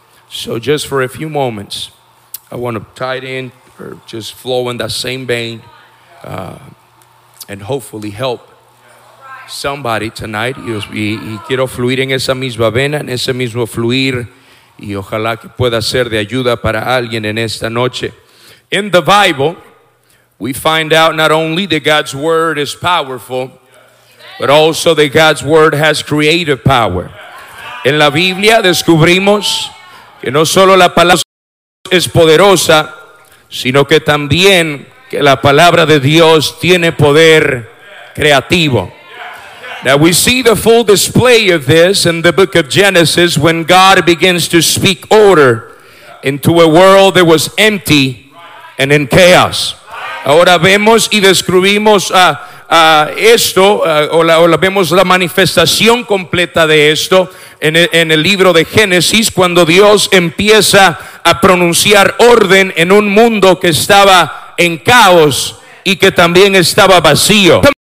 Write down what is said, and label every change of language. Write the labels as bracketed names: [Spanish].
[English] So just for a few moments, I want to tie it in or just flow in that same vein and hopefully help somebody tonight. [Spanish] Y quiero fluir en esa misma vena, en ese mismo fluir, y ojalá que pueda ser de ayuda para alguien en esta noche. [English] In the Bible, we find out not only that God's word is powerful, but also that God's word has creative power. [Spanish] En la Biblia descubrimos que no solo la palabra es poderosa, sino que también que la palabra de Dios tiene poder creativo. [English] Now we see the full display of this in the book of Genesis when God begins to speak order into a world that was empty and in chaos. [Spanish] Ahora vemos y describimos esto, vemos la manifestación completa de esto en el libro de Génesis, cuando Dios empieza a pronunciar orden en un mundo que estaba en caos y que también estaba vacío.